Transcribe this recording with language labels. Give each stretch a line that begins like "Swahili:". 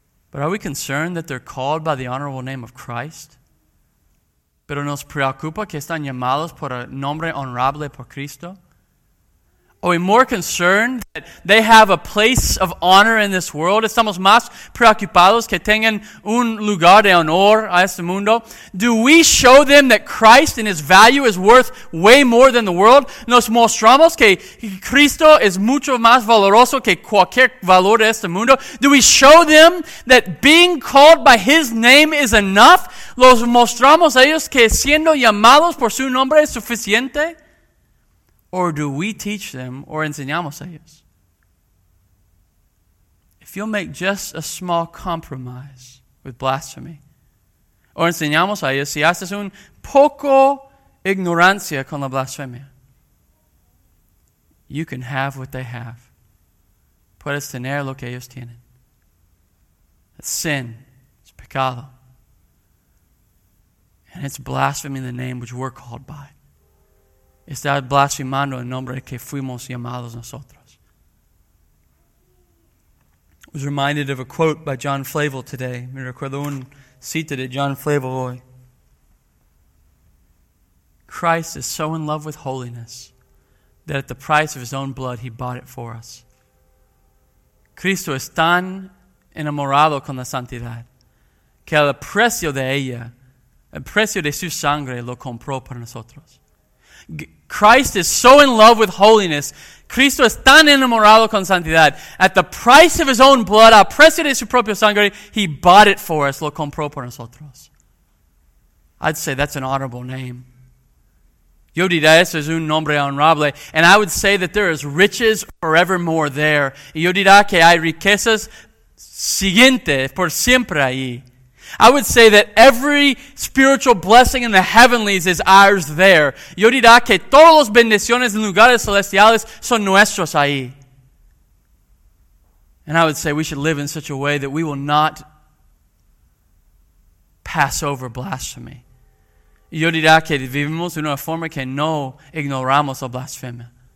English: But are we concerned that they're called by the honorable name of Christ?
Spanish: ¿Pero nos preocupa que están llamados por el nombre honorable por Cristo?
English: Are we more concerned that they have a place of honor in this world?
Spanish: ¿Estamos más preocupados que tengan un lugar de honor a este mundo?
English: Do we show them that Christ and His value is worth way more than the world?
Spanish: ¿Nos mostramos que Cristo es mucho más valoroso que cualquier valor de este mundo?
English: Do we show them that being called by His name is enough?
Spanish: ¿Los mostramos a ellos que siendo llamados por su nombre es suficiente?
English: Or do we teach them or
Spanish: enseñamos a ellos?
English: If you'll make just a small compromise with blasphemy,
Spanish: o enseñamos a ellos si haces un poco ignorancia con la blasfemia,
English: you can have what they have.
Spanish: Puedes tener lo que ellos tienen.
English: It's sin.
Spanish: It's pecado.
English: And it's blaspheming the name which we're called by.
Spanish: Está blasfemando el nombre que fuimos llamados nosotros.
English: I was reminded of a quote by John Flavel today.
Spanish: Me recuerdo un cita de John Flavel hoy.
English: Christ is so in love with holiness that at the price of his own blood, he bought it for us.
Spanish: Cristo es tan enamorado con la santidad que al precio de ella, el precio de su sangre, lo compró para nosotros.
English: Christ is so in love with holiness.
Spanish: Cristo es tan enamorado con santidad.
English: At the price of his own blood,
Spanish: al precio de su propia sangre,
English: he bought it for us,
Spanish: lo compró para nosotros.
English: I'd say that's an honorable name.
Spanish: Yo diría, eso es un nombre honorable.
English: And I would say that there is riches forevermore there.
Spanish: Y yo diría que hay riquezas siguientes por siempre ahí.
English: I would say that every spiritual blessing in the heavenlies is ours there.
Spanish: Yo diría que todos los bendiciones en lugares celestiales son nuestros ahí.
English: And I would say we should live in such a way that we will not pass over blasphemy.
Spanish: Yo diría que vivimos de una forma que no ignoramos la blasfemia.